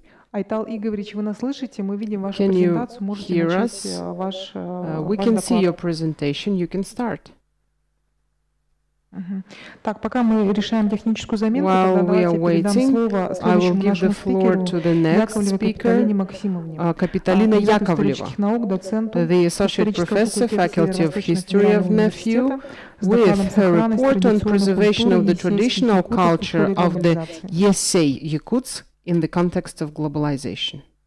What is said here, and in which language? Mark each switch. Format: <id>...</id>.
<ru>Айтал Игоревич, вы нас слышите? Мы видим вашу презентацию, можете начать ваш ваш доклад.</ru> <en>We can see your presentation, you can start.</en> <ru>Так, пока мы решаем техническую заменку, тогда давайте передам слово следующему нашему спикеру, Яковлеву Капитолине Яковлеву,</ru> <en>the associate professor, faculty of history of NEFU, with her report on preservation of the traditional culture of the Yesei Якутск in the context of globalization.</en>